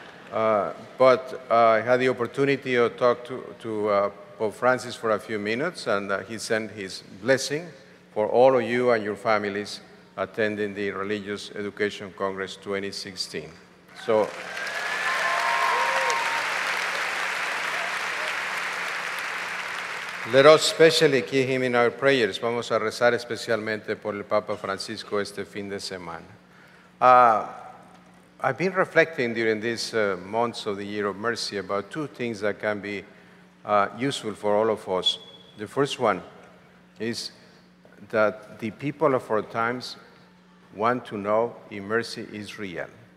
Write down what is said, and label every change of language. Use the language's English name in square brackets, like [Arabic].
[English] But I had the opportunity to talk to Pope Francis for a few minutes, and he sent his blessing for all of you and your families attending the Religious Education Congress 2016. So. Let us especially keep him in our prayers. [Spanish] Vamos a rezar especialmente por el Papa Francisco este fin de semana. [English] I've been reflecting during these months of the Year of Mercy about two things that can be useful for all of us. The first one is that the people of our times want to know if mercy is real.